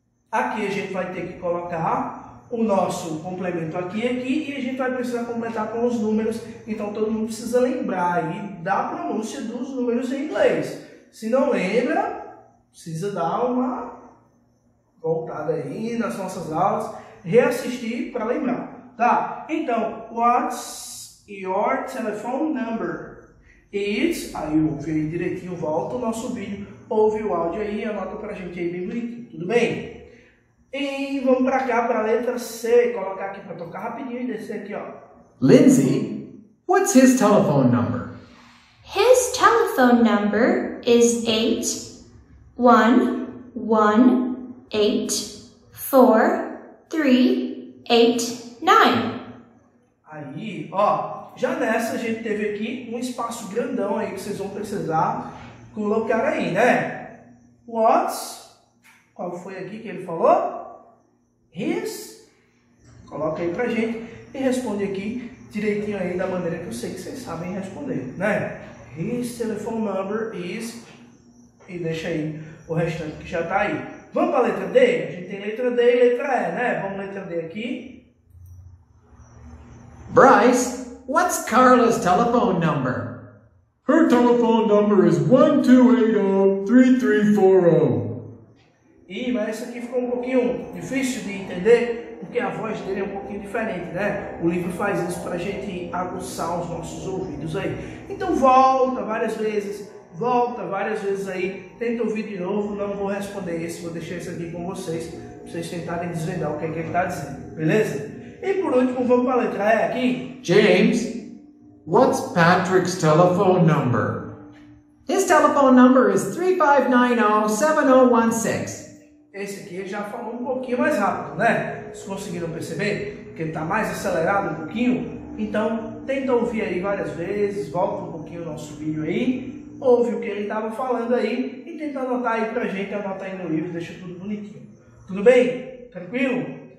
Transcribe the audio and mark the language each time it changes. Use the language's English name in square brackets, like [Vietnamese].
[Portuguese] Aqui a gente vai ter que colocar o nosso complemento aqui e a gente vai precisar completar com os números. Então todo mundo precisa lembrar aí da pronúncia dos números em inglês. Se não lembra, precisa dar uma voltada aí nas nossas aulas, reassistir para lembrar, tá? [English] Então, what's your telephone number? [Portuguese] It's, aí eu ouvi aí direitinho, volta o nosso vídeo, ouve o áudio aí, anota pra gente aí bem bonitinho, tudo bem? E vamos pra cá, pra letra C, colocar aqui pra tocar rapidinho e descer aqui, ó. [English] Lindsay, what's his telephone number? His telephone number is 8118438. [Portuguese] Aí, ó, já nessa a gente teve aqui um espaço grandão aí que vocês vão precisar colocar aí, né? What's, qual foi aqui que ele falou? His, coloca aí pra gente e responde aqui direitinho aí da maneira que eu sei que vocês sabem responder, né? [English] His telephone number is, [Portuguese] e deixa aí o restante que já tá aí. Vamos para a letra D? A gente tem letra D e letra E, né? Vamos para a letra D aqui. [English] Bryce, what's Carla's telephone number? Her telephone number is 1280-3340. [Portuguese] Ih, mas essa aqui ficou um pouquinho difícil de entender, porque a voz dele é um pouquinho diferente, né? O livro faz isso para a gente aguçar os nossos ouvidos aí. Então volta várias vezes. Volta várias vezes aí, tenta ouvir de novo, não vou responder esse, vou deixar esse aqui com vocês, pra vocês tentarem desvendar o que é que ele tá dizendo, beleza? E por último, vamos pra letra E aqui. [English] James, what's Patrick's telephone number? His telephone number is 3590-7016. [Portuguese] Esse aqui já falou um pouquinho mais rápido, né? Vocês conseguiram perceber que ele tá mais acelerado um pouquinho? Então, tenta ouvir aí várias vezes, volta um pouquinho o nosso vídeo aí. Ouve o que ele estava falando aí e tenta anotar aí pra gente, anotar aí no livro, deixa tudo bonitinho. Tudo bem? Tranquilo?